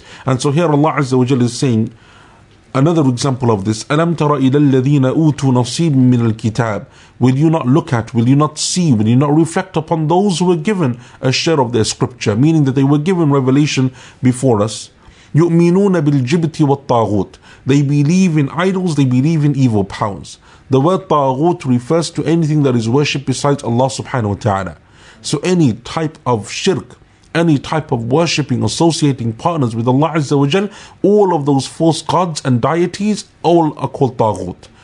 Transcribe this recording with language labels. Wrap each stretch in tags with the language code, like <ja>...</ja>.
<en>And so here Allah Azza wa Jalla is saying another example of this.</en> <ar>أَلَمْ تَرَ إِلَى الَّذِينَ أُوتُوا نَصِيبٌ مِّنَ الْكِتَابِ.</ar> <en>Will you not look at, will you not see, will you not reflect upon those who were given a share of their scripture? Meaning that they were given revelation before us.</en> <ar>يؤمنون بالجبت والطاغوت.</ar> <en>They believe in idols, they believe in evil powers. The word طاغوت refers to anything that is worshipped besides Allah subhanahu wa ta'ala. So any type of shirk, any type of worshipping, associating partners with Allah azza wa jal, all of those false gods and deities, all are called طاغوت.</en>